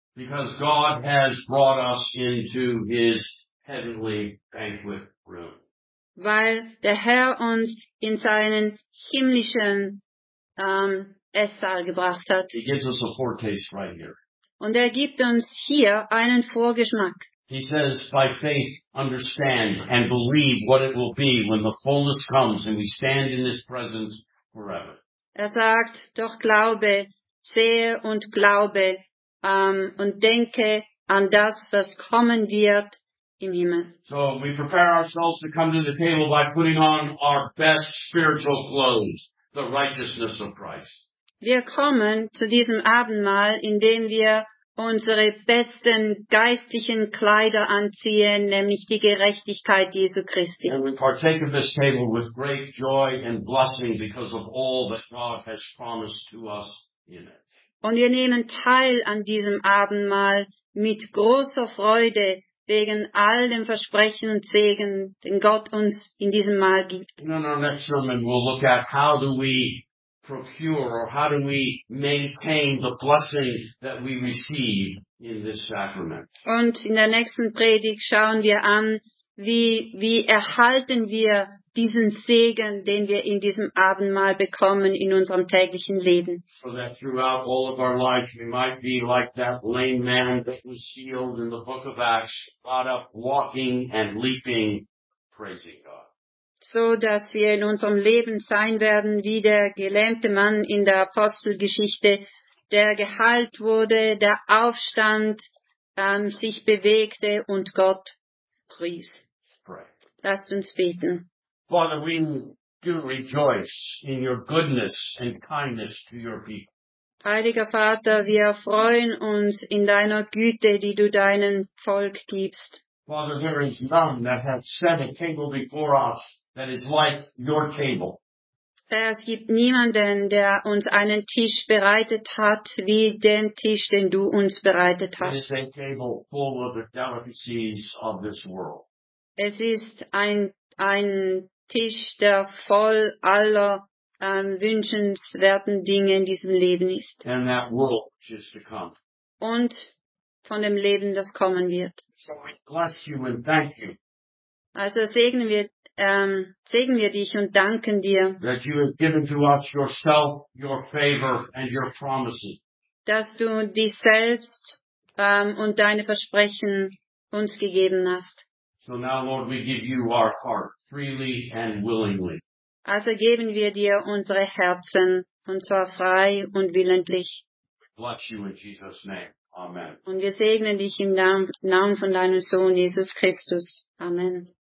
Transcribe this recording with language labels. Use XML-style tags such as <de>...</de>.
<en>Because God has brought us into his heavenly banquet room.</en> <de>Weil der Herr uns in seinen himmlischen Esssaal gebracht hat.</de> <en>He gives us a foretaste right here.</en> <de>Und gibt uns hier einen Vorgeschmack.</de> <en>He says, by faith, understand and believe what it will be when the fullness comes and we stand in his presence forever.</en> <de>Er sagt, doch glaube, sehe und glaube, und denke an das, was kommen wird im Himmel.</de> <en>So we prepare ourselves to come to the table by putting on our best spiritual clothes, the righteousness of Christ.</en> <de>Wir kommen zu diesem Abendmahl, indem wir unsere besten geistlichen Kleider anziehen, nämlich die Gerechtigkeit Jesu Christi.</de> <en>And we partake of this table with great joy and blessing because of all that God has promised to us in it.</en> <de>Und wir nehmen teil an diesem Abendmahl mit großer Freude wegen all dem Versprechen und Segen, den Gott uns in diesem Mahl gibt.</de> <en>In our next sermon we'll look at how do we procure, or how do we maintain the blessing that we receive in this sacrament?</en> <de>Und in der nächsten Predigt schauen wir an, wie erhalten wir diesen Segen, den wir in diesem Abendmahl bekommen in unserem täglichen Leben.</de> <en>So that throughout all of our lives we might be like that lame man that was healed in the book of Acts, brought up walking and leaping, praising God.</en> <de>So dass wir in unserem Leben sein werden wie der gelähmte Mann in der Apostelgeschichte, der geheilt wurde, der aufstand, sich bewegte und Gott pries. Lasst uns beten.</de> <en>Father, we do rejoice in your goodness and kindness to your people.</en> <de>Heiliger Vater, wir freuen uns in deiner Güte, die du deinem Volk gibst.</de> <en>Father, there is none that hath set a table before us that is like your table.</en> <de>Es gibt niemanden, der uns einen Tisch bereitet hat, wie den Tisch, den du uns bereitet hast.</de> <en>It is a table full of the delicacies of this world.</en> <de>Es ist ein Tisch, der voll aller wünschenswerten Dinge in diesem Leben ist.</de> <en>And that world which is to come.</en> <de>Und von dem Leben, das kommen wird.</de> <en>So we bless you and thank you.</en> <de>Also segnen wir dich und danken dir.</de> <en>That you have given to us yourself, your favor and your promises.</en> <de>Dass du dich selbst und deine Versprechen uns gegeben hast.</de> <en>So now, Lord, we give you our heart freely and willingly.</en> <de>Also geben wir dir unsere Herzen, und zwar frei und willentlich.</de> <en>Bless you in Jesus' name. Amen.</en> <de>Und wir segnen dich im Namen von deinem Sohn Jesus Christus. Amen.</de>